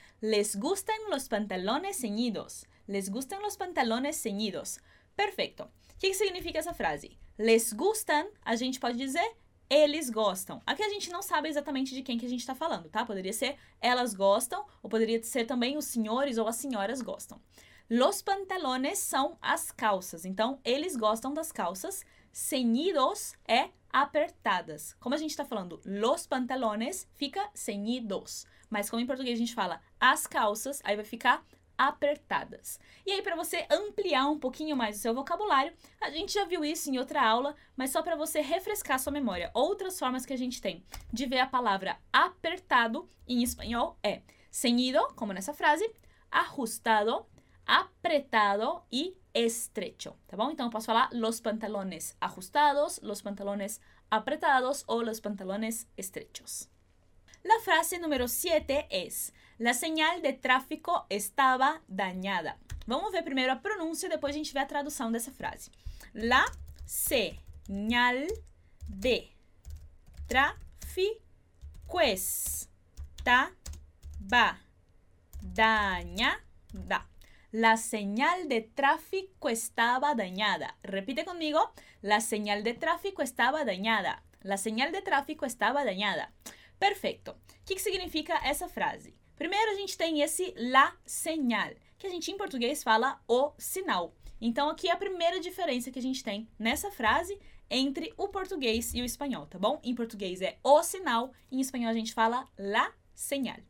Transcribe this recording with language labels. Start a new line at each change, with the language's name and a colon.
Spanish: Les gustan los pantalones ceñidos. Les gustan los pantalones ceñidos. Perfecto.
Portuguese: O que significa essa frase?
Spanish: Les gustan,
Portuguese: a gente pode dizer, eles gostam. Aqui a gente não sabe exatamente de quem que a gente está falando, tá? Poderia ser elas gostam, ou poderia ser também os senhores ou as senhoras gostam. Los pantalones são as calças. Então, eles gostam das calças. Ceñidos é apertadas. Como a gente está falando los pantalones, fica ceñidos. Mas como em português a gente fala as calças, aí vai ficar apertadas. E aí, para você ampliar um pouquinho mais o seu vocabulário, a gente já viu isso em outra aula, mas só para você refrescar sua memória, outras formas que a gente tem de ver a palavra apertado em espanhol é ceñido, como nessa frase, ajustado, apretado e estrecho, tá bom? Então, eu posso falar
Spanish: los pantalones ajustados, los pantalones apretados
Portuguese: ou
Spanish: los pantalones estrechos. La frase número 7 es: la señal de tráfico estaba dañada.
Portuguese: Vamos ver primeiro a pronúncia e depois a gente vê a tradução dessa frase.
Spanish: La señal de tráfico estaba dañada. La señal de tráfico estaba dañada. Repite conmigo. La señal de tráfico estaba dañada. La señal de tráfico estaba dañada.
Portuguese: Perfeito. O que significa essa frase? Primeiro, a gente tem esse la señal, que a gente, em português, fala o sinal. Então, aqui é a primeira diferença que a gente tem nessa frase entre o português e o espanhol, tá bom? Em português é o sinal, em espanhol a gente fala la señal.